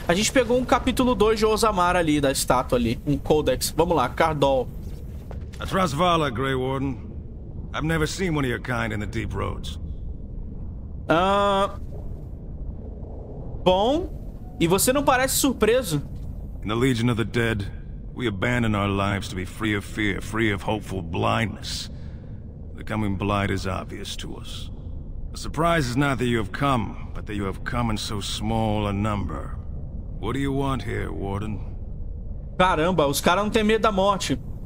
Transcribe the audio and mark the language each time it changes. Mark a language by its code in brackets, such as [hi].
[pt] A gente pegou um capítulo 2 de Ozamar ali, da estátua ali, um codex. Vamos lá, Cardol. Atrasvala, Grey Warden. [en] I've never seen one of your kind in the deep roads. [pt] Bom, e você não parece surpreso. [en] In the Legion of the Dead, we abandon our lives to be free of fear, free of hopeful blindness. The coming blight is obvious to us. The surprise is not that you have come, but that you have come in so small a number. What do you want here, Warden? [pt] Caramba, os caras não têm medo da morte.